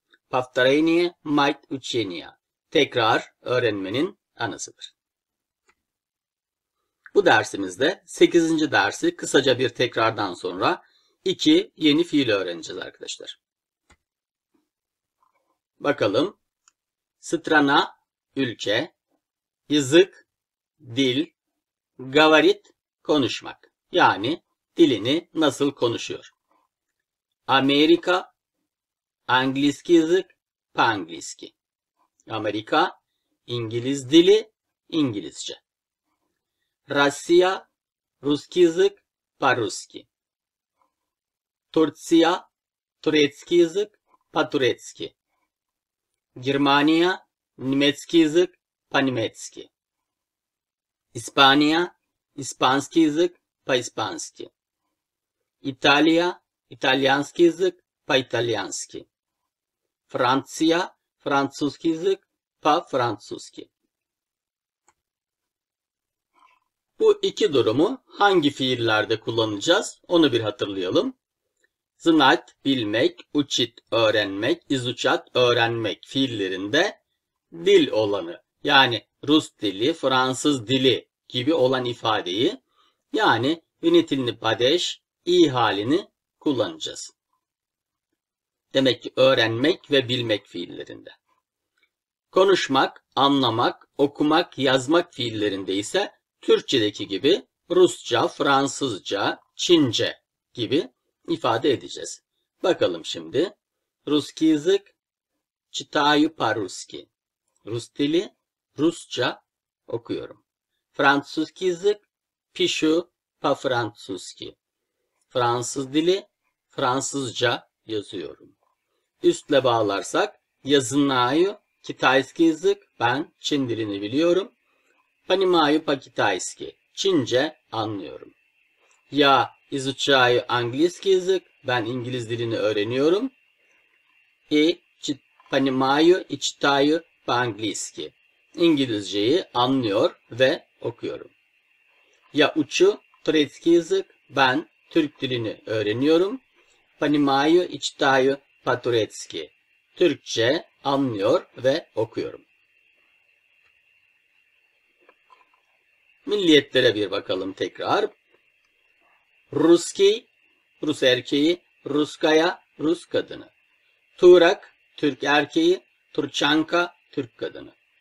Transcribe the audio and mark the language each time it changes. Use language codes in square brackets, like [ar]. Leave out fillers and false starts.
[ru] Повторение мать учения. [tr] Tekrar öğrenmenin anısıdır. Bu dersimizde 8. dersi kısaca bir tekrardan sonra 2 yeni fiil öğreneceğiz arkadaşlar. Bakalım. [ru] Страна ülke, язык dil, говорит konuşmak. Yani dilini nasıl konuşuyor. Amerika английский язык, по-английски. [tr] Amerika İngiliz dili, İngilizce. [ru] Rusya русский язык, по-русски. Турция турецкий язык, по-турецки. Германия немецкий язык, по-немецки. Испания испанский язык, по-испански. Италия итальянский язык, по-итальянски. Франция французский язык, по-французски. [tr] Bu iki durumu hangi fiillerde kullanacağız? Onu bir hatırlayalım. Знать, bilmek, учит, öğrenmek, изучать, öğrenmek fiillerinde dil olanı, yani Rus dili, Fransız dili gibi olan ifadeyi, yani unitilni padeş, iyi halini kullanacağız. Demek ki öğrenmek ve bilmek fiillerinde. Konuşmak, anlamak, okumak, yazmak fiillerinde ise Türkçedeki gibi Rusça, Fransızca, Çince gibi ifade edeceğiz. Bakalım şimdi. Ruski yazık, [ru] читаю по-русски. [tr] Rus dili, Rusça okuyorum. [ru] Французский язык, пишу по-французски. [tr] Fransız dili, Fransızca yazıyorum. [ru] Üstle bağlarsak, я знаю китайский язык, [tr] ben Çin dilini biliyorum. [ru] Понимаю по-китайски, [tr] Çince anlıyorum. [ru] Я изучаю английский язык, [tr] ben İngiliz dilini öğreniyorum. [ru] И понимаю и читаю по-английски. [tr] İngilizceyi anlıyor ve okuyorum. [ru] Я учу турецкий язык, [tr] ben Türk dilini öğreniyorum. [ru] Понимаю и читаю по-турецки. [tr] Türkçe anlıyor ve okuyorum. Milliyetlere bir bakalım tekrar. Ruski, Rus erkeği, Ruskaya, Rus kadını. Turak, Türk erkeği, Turçanka, Türk kadını.